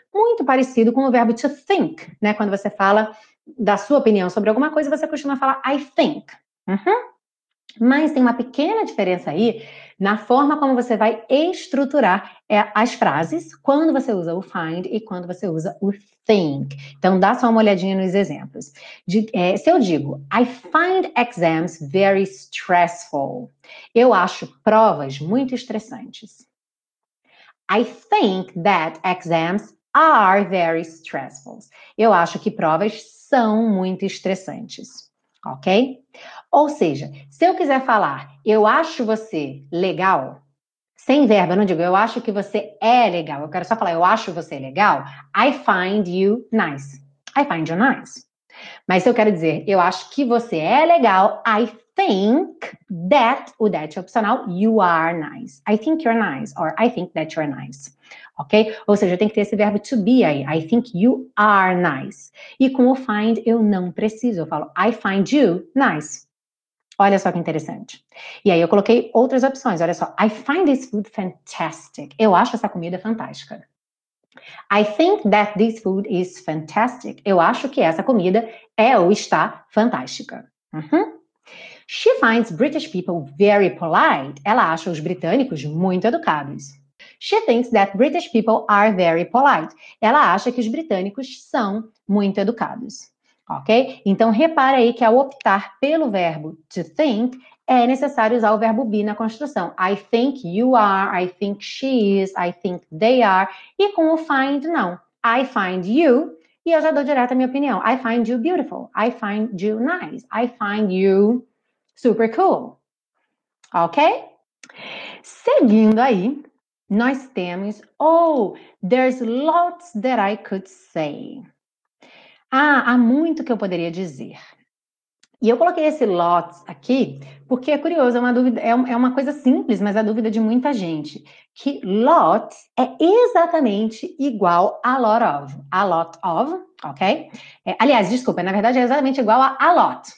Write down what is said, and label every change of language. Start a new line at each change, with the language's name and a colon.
Portuguese: Muito parecido com o verbo to think, né? Quando você fala da sua opinião sobre alguma coisa, você costuma falar
English: I think.
Portuguese: Mas tem uma pequena diferença aí na forma como você vai estruturar as frases quando você usa o find e quando você usa o think. Então, dá só uma olhadinha nos exemplos. Se eu digo,
English: I find exams very stressful.
Portuguese: Eu acho provas muito estressantes.
English: I think that exams are very stressful.
Portuguese: Eu acho que provas são muito estressantes. Ok? Ou seja, se eu quiser falar, eu acho você legal, sem verbo, eu não digo, eu acho que você é legal. Eu quero só falar, eu acho você legal,
English: I find you nice. I find you nice.
Portuguese: Mas se eu quero dizer, eu acho que você é legal,
English: I think that,
Portuguese: o that é opcional,
English: you are nice. I think you're nice, or I think that you're nice. Ok?
Portuguese: Ou seja, tem que ter esse verbo to be aí.
English: I think you are nice.
Portuguese: E com o find, eu não preciso. Eu falo,
English: I find you nice.
Portuguese: Olha só que interessante. E aí, eu coloquei outras opções. Olha só.
English: I find this food fantastic.
Portuguese: Eu acho essa comida fantástica.
English: I think that this food is fantastic.
Portuguese: Eu acho que essa comida é ou está fantástica.
English: She finds British people very polite.
Portuguese: Ela acha os britânicos muito educados.
English: She thinks that British people are very polite.
Portuguese: Ela acha que os britânicos são muito educados. Ok? Então, repara aí que ao optar pelo verbo to think, é necessário usar o verbo be na construção.
English: I think you are, I think she is, I think they are.
Portuguese: E com o find, não.
English: I find you.
Portuguese: E eu já dou direto a minha opinião.
English: I find you beautiful. I find you nice. I find you super cool. Ok?
Portuguese: Seguindo aí. Nós temos,
English: oh, there's lots that I could say.
Portuguese: Ah, há muito que eu poderia dizer. E eu coloquei esse lots aqui, porque é curioso, é uma dúvida, é uma coisa simples, mas é a dúvida de muita gente. Que lots é exatamente igual a lot of. A lot of, ok? Aliás, desculpa, na verdade é exatamente igual a lot.